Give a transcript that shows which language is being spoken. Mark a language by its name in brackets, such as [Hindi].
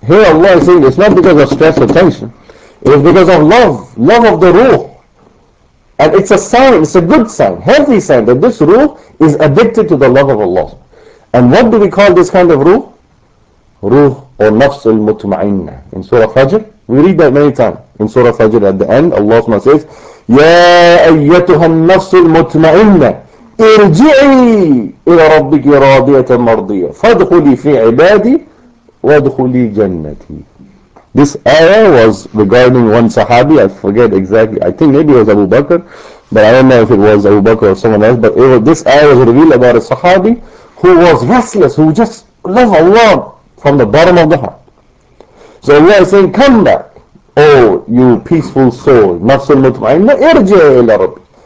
[English] Here Allah is saying it's not because of stress or tension. It is because of love of the ruh. And it's a sign, it's a good sign, healthy sign that this ruh is addicted to the love of Allah. And what do we call this kind of ruh? Ruh or nafs al-mutma'inna in Surah Fajr. We read that many times. In Surah Fajr at the end, Allah SWT says, [Arabic] يَا أَيَّتُهَا النَّفْسُ الْمُطْمَئِنَّةِ ارْجِعِي إِلَى رَبِّكِ رَاضِيَةً مَرْضِيَةً فَادْخُلِي فِي عِبَادِي وَادْخُلِي جَنَّتِي. [English] This ayah was regarding one sahabi, I forget exactly, I think maybe it was Abu Bakr, but I don't know if it was Abu Bakr or someone else, but this ayah was revealed about a sahabi who was restless, who just loved Allah from the bottom of the heart. So Allah is saying, come back, oh you peaceful soul, nafs al-mutma'inna, [Arabic] irji' ila rabbi.